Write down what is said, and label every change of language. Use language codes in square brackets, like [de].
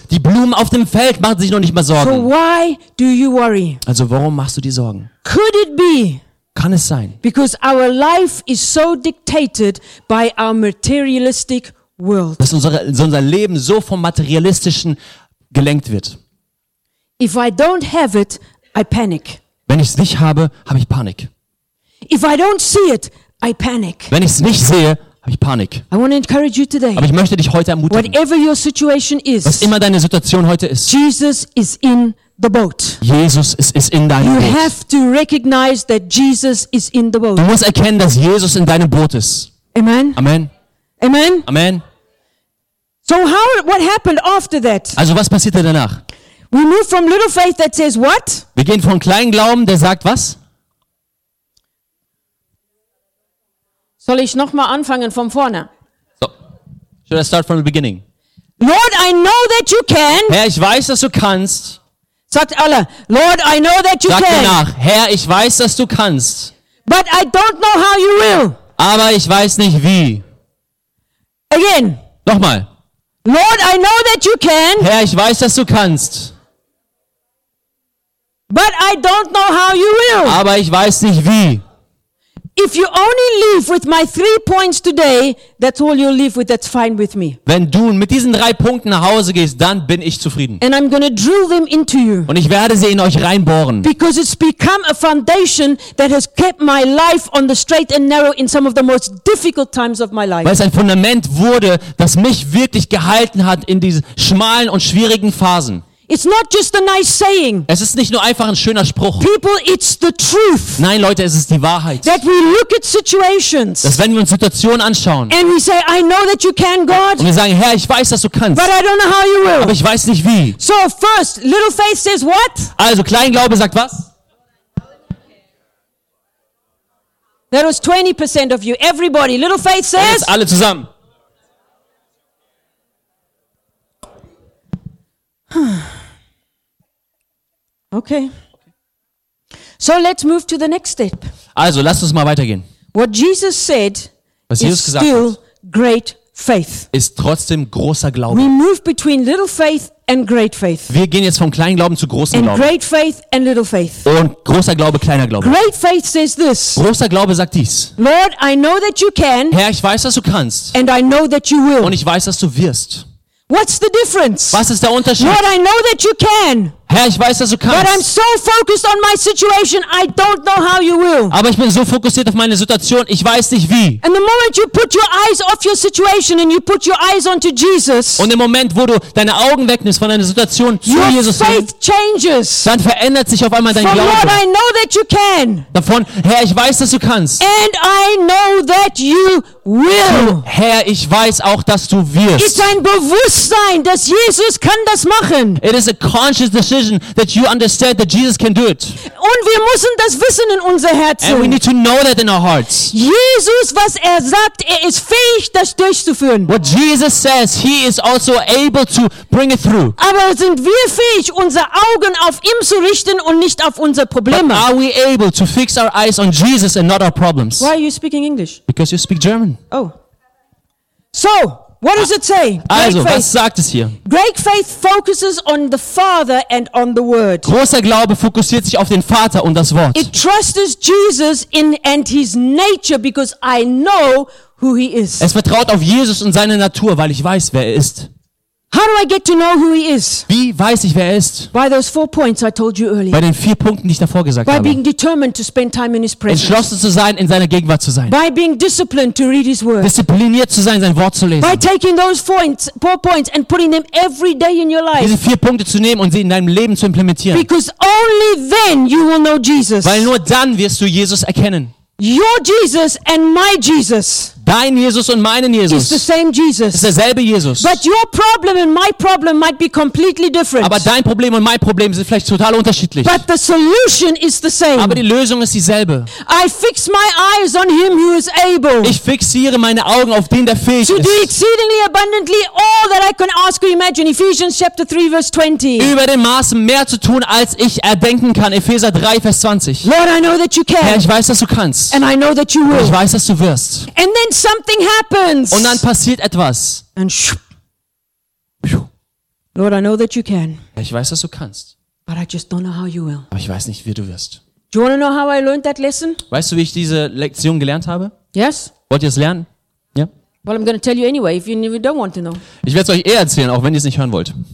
[de] Die Blumen auf dem Feld machen sich noch nicht mal Sorgen. [en] So why do you worry? [de] Also warum machst du dir Sorgen? [en] Could it be? [de] Kann es sein? [en] Because our life is so dictated by our materialistic world. [de] Dass unser Leben so vom materialistischen gelenkt wird. [en] If I don't have it, I panic. [de] Wenn ich es nicht habe, habe ich Panik. [en] If I don't see it, I panic. [de] Wenn ich es nicht sehe, habe ich Panik. [en] I want to encourage you today. [de] Aber ich möchte dich heute ermutigen. [en] Whatever your situation is, [de] was immer deine Situation heute ist. [en] Jesus is in the boat. [de] Jesus ist in deinem [en] you [de] Boot. [en] You have to recognize that Jesus is in the boat. [de] Du musst erkennen, dass Jesus in deinem Boot ist. [en] Amen. Amen. Amen. Amen. So how what happened after that? [de] Also was passierte danach? We move from little faith that says what? Wir gehen von kleinen Glauben, der sagt was? Soll ich nochmal anfangen von vorne? So. [en] Should I start from the beginning? Lord, I know that you can. [de] Herr, ich weiß, dass du kannst. Sagt alle. [en] Lord, I know that you [de] Sag [en] can. [de] Sag danach. Herr, ich weiß, dass du kannst. [en] But I don't know how you will. [de] Aber ich weiß nicht wie. [en] Again. [de] Nochmal. [en] Lord, I know that you can. [de] Herr, ich weiß, dass du kannst. [en] But I don't know how you will. [de] Aber ich weiß nicht wie. [en] If you only leave with my three points today, that's all you'll leave with. That's fine with me. [de] Wenn du mit diesen drei Punkten nach Hause gehst, dann bin ich zufrieden. [en] And I'm gonna drill them into you. [de] Und ich werde sie in euch reinbohren. [en] Because it's become a foundation that has kept my life on the straight and narrow in some of the most difficult times of my life. [de] Weil es ein Fundament wurde, das mich wirklich gehalten hat in diesen schmalen und schwierigen Phasen. [en] It's not just a nice saying. [de] Es ist nicht nur einfach ein schöner Spruch. [en] People, it's the truth. [de] Nein, Leute, es ist die Wahrheit. [en] That we look at situations. [de] Dass wenn wir uns Situationen anschauen. [en] And we say, I know that you can, God. [de] Und wir sagen, Herr, ich weiß, dass du kannst. [en] But I don't know how you will. [de] Aber ich weiß nicht wie. [en] So first, little faith says what? [de] Also Kleinglaube sagt was? [en] That was 20% of you. Everybody, little faith says. [de] Alle zusammen. [en] Okay. So let's move to the next step. [de] Also, lasst uns mal weitergehen. [en] What Jesus said [de] was Jesus [en] is [de] gesagt [en] still [de] hat, [en] great faith. [de] Ist trotzdem großer Glaube. [en] We move between little faith and great faith. [de] Wir gehen jetzt vom kleinen Glauben zu großem Glauben. [en] And great faith and little faith. [de] Und großer Glaube, kleiner Glaube. [en] Great faith says this. [de] Großer Glaube sagt dies. [en] Lord, I know that you can. [de] Herr, ich weiß, dass du kannst. [en] And I know that you will. [de] Und ich weiß, dass du wirst. [en] What's the difference? [de] Was ist der Unterschied? [en] Lord, I know that you can. [de] Herr, ich weiß, dass du kannst. [en] But I'm so focused on my situation, I don't know how you will. [de] Aber ich bin so fokussiert auf meine Situation, ich weiß nicht wie. [en] And the moment you put your eyes off your situation and you put your eyes onto Jesus. [de] Und im Moment, wo du deine Augen wegnimmst von deiner Situation zu Jesus, [en] faith changes. [de] Dann verändert sich auf einmal dein [en] From [de] Glaube. [en] Lord, I know that you can. [de] Davon, Herr, ich weiß, dass du kannst. [en] And I know that you will. [de] Herr, ich weiß auch, dass du wirst. Ist ein Bewusstsein, dass Jesus kann das machen. [en] It is a conscious decision that you understand that Jesus can do it. [de] Und wir müssen das wissen in unser Herzen. [en] And we need to know that in our hearts. [de] Jesus, was sagt, ist fähig, das durchzuführen. [en] What Jesus says, he is also able to bring it through. [de] Aber sind wir fähig, unsere Augen auf ihm zu richten und nicht auf unsere Probleme? [en] But are we able to fix our eyes on Jesus and not our problems? Why are you speaking English? Because you speak German. Oh. So, what does it say? [de] Also, [en] great faith. [de] Was sagt es hier? [en] Great faith focuses on the Father and on the Word. [de] Großer Glaube fokussiert sich auf den Vater und das Wort. [en] It trusts Jesus in and his nature because I know who he is. [de] Es vertraut auf Jesus und seine Natur, weil ich weiß, wer er ist. [en] How do I get to know who he is? [de] Wie weiß ich, wer er ist? [en] By those four points I told you earlier. [de] Bei den vier Punkten, die ich davor gesagt [en] By [de] habe. [en] Being determined to spend time in his presence. [de] Entschlossen zu sein, in seiner Gegenwart zu sein. [en] By being disciplined to read his word. [de] Diszipliniert zu sein, sein Wort zu lesen. [en] By taking those four points and putting them every day in your life. [de] Diese vier Punkte zu nehmen und sie in deinem Leben zu implementieren. [en] Because only then you will know Jesus. [de] Weil nur dann wirst du Jesus erkennen. [en] Your Jesus and my Jesus. [de] Dein Jesus und meinen Jesus. [en] Is the same Jesus. [de] Ist derselbe Jesus. [en] But your problem and my problem might be completely different. [de] Aber dein Problem und mein Problem sind vielleicht total unterschiedlich. [en] But the solution is the same. [de] Aber die Lösung ist dieselbe. [en] I fix my eyes on him who is able. [de] Ich fixiere meine Augen auf den, der fähig ist. [en] To do exceedingly abundantly all that I can ask or imagine. Ephesians chapter 3 verse 20. [de] Über den Maßen mehr zu tun, als ich erdenken kann. Epheser 3 Vers 20. [en] Lord, I know that you can. [de] Herr, ich weiß, dass du kannst. [en] And I know that you will. [de] Ich weiß, dass du wirst. [en] And then something happens. [de] Und dann passiert etwas. [en] And Lord, I know that you can. [de] Ich weiß, dass du kannst. [en] But I just don't know how you will. [de] Aber ich weiß nicht, wie du wirst. [en] Do you want to know how I learned that lesson? [de] Weißt du, wie ich diese Lektion gelernt habe? [en] Yes. [de] Wollt ihr es lernen? Ja. [en] Yeah. Well, I'm going to tell you anyway if you don't want to know. [de] Ich werde es euch eh erzählen, auch wenn ihr es nicht hören wollt.